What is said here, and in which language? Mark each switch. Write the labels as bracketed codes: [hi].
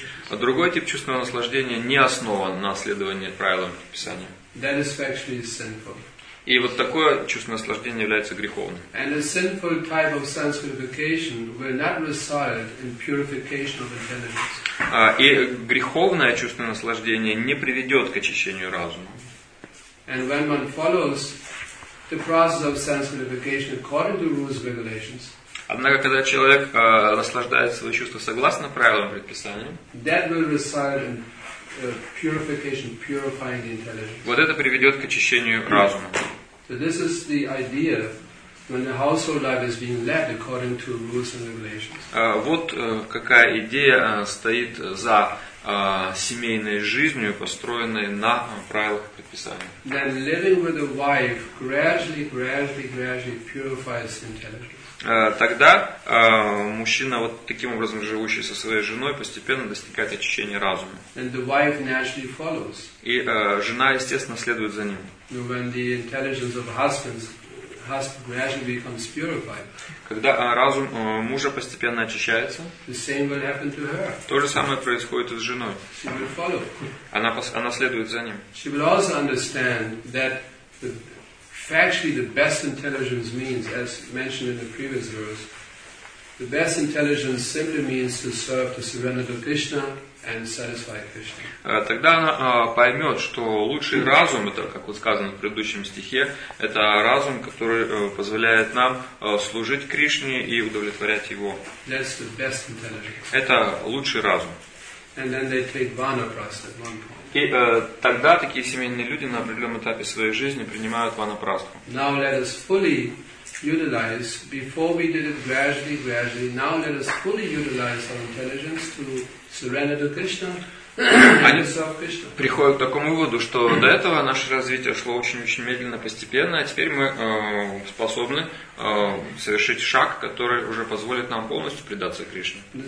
[ru] А другой тип чувственного наслаждения не основан на следовании правилам и предписаниям. И вот такое чувственное наслаждение является греховным. [en] And a sinful type of sense gratification will not reside in purification of intelligence. [ru] И греховное чувственное наслаждение не приведет к очищению разума. [en] And when one follows the process of sense gratification according to rules and regulations. [ru] Однако когда человек наслаждает свои чувства согласно правилам и предписаниям. [en] That will reside in purification, purifying the intelligence. [ru] Вот это приведет к очищению разума. [en] So this is the idea when the household life is being led according to rules and regulations. [ru] Вот какая идея стоит за семейной жизнью, построенной на правилах и предписаниях. [en] Then living with a wife gradually purifies the intelligence. [ru] Тогда мужчина, вот таким образом живущий со своей женой, постепенно достигает очищения разума. [en] And the wife naturally follows. [ru] И жена, естественно, следует за ним. [en] When the intelligence of husband gradually becomes purified. [ru] Когда разум мужа постепенно очищается, [en] the same will happen to her. [ru] То же самое происходит и с женой. [en] She will follow. [ru] Она следует за ним. [en] She will also understand that actually the best intelligence means, as mentioned in the previous verse, The best intelligence simply means to serve the surrender to Krishna and satisfy Krishna. [ru] Тогда она поймет, что лучший разум, это, как вот сказано в предыдущем стихе, это разум, который позволяет нам служить Кришне и удовлетворять Его. [en] That's the best intelligence. [ru] Это лучший разум. [en] And then they take vanaprastha at one point. [ru] И тогда такие семейные люди на определенном этапе своей жизни принимают ванапрастху. [en] Now let us fully utilize, before we did it gradually, now let us fully utilize our intelligence to surrender to Krishna. [ru] Они приходят к такому выводу, что до этого наше развитие шло очень-очень медленно, постепенно, а теперь мы способны совершить шаг, который уже позволит нам полностью предаться Кришне.